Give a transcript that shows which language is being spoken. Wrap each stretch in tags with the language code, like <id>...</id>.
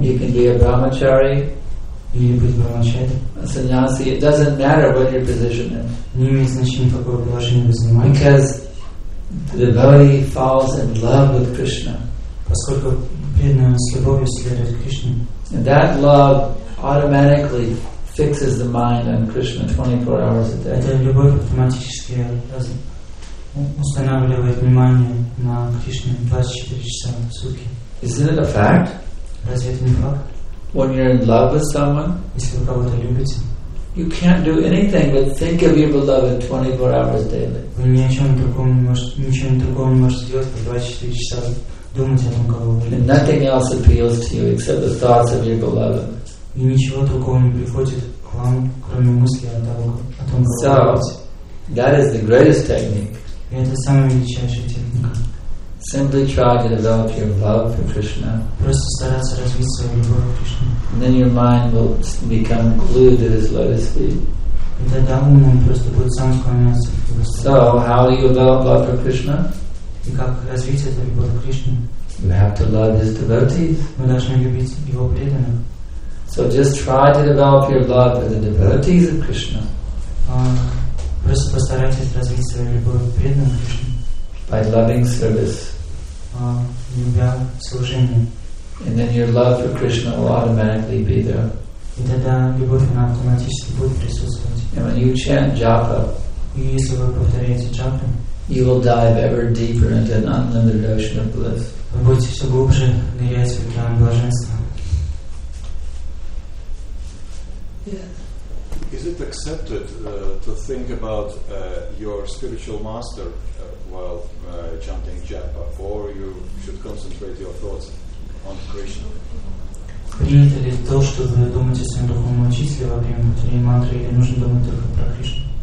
<en>You can be a brahmachari.</en> <ru>Или быть брахмачари.</ru> <en>A sannyasi. It doesn't matter what your position is.</en> <ru>Не имеет значения, какое положение вы занимаете.</ru> <en>Because the devotee falls in love with Krishna.</en> <ru>Поскольку преданный с любовью следует Кришне.</ru> <en>And that love automatically fixes the mind on Krishna 24 hours a day.</en> <ru>Это любовь автоматически устанавливает внимание на Кришне 24 часа в сутки.</ru> <en>Isn't it a fact?</en> <ru>Разве это не факт?</ru> <en>When you're in love with someone,</en> <ru>если вы кого-то любите,</ru> <en>you can't do anything but think of your beloved 24 hours daily.</en> <ru>Вы ни о чем другом не можете, ничем другом не можете делать, по 24 часа думать о том, кого вы любите.</ru> <en>And nothing else appeals to you except the thoughts of your beloved.</en> <ru>И ничего другого не приходит к вам, кроме мысли о том, кого вы любите.</ru> <en>That is the greatest technique.</en> <ru>И это самая величайшая техника.</ru> <en>Simply try to develop your love for Krishna.</en> <ru>Просто стараться развить свою любовь к Кришне.</ru> <en>And then your mind will become glued to his lotus feet.</en> <ru>И тогда ум просто будет сам склоняться к Его</ru> <en>стопам. So, how do you develop love for Krishna?</en> <ru>И как развить эту любовь к Кришне?</ru> <en>You have to love his devotees.</en> <ru>Мы должны любить Его преданных.</ru> <en>So just try to develop your love for the devotees of Krishna.</en> <ru>Просто постарайтесь развить свою любовь к преданным Кришне.</ru> <en>By loving service.</en> <ru>Любя служение.</ru> <en>And then your love for Krishna will automatically be there.</en> <ru>И тогда любовь она автоматически будет присутствовать.</ru> <en>And when you chant japa,</en> <ru>и если вы повторяете джапу,</ru> <en>you will dive ever deeper into an unlimited ocean of bliss.</en> <ru>Вы будете все глубже нырять в океан блаженства.</ru> <en>Yeah. Is it accepted to think about your spiritual master while chanting japa, or you should concentrate your thoughts on Krishna?</en> <ru>Принято ли то, что вы думаете о своем духовном учителе во время повторения мантры, или нужно думать только про Кришну?</ru>